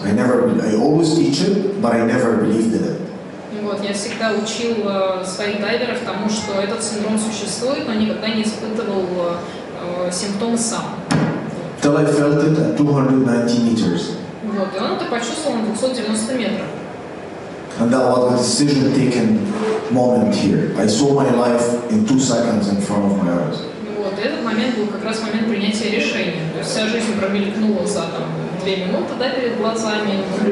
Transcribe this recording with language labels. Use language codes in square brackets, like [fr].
[en] I always teach it, but I never believed in it. [ru] Вот я всегда учил своих дайверов тому, что этот синдром существует, но никогда не испытывал симптомы сам. [en] Till I felt it at 290 meters. [ru] Вот и он это почувствовал на 290 метров. [en] And that was a decision-taking moment here. I saw my life in 2 seconds in front of my eyes. [ru] Вот этот момент был как раз момент принятия решения. То есть вся жизнь промелькнула за там 2 минуты, да, перед глазами.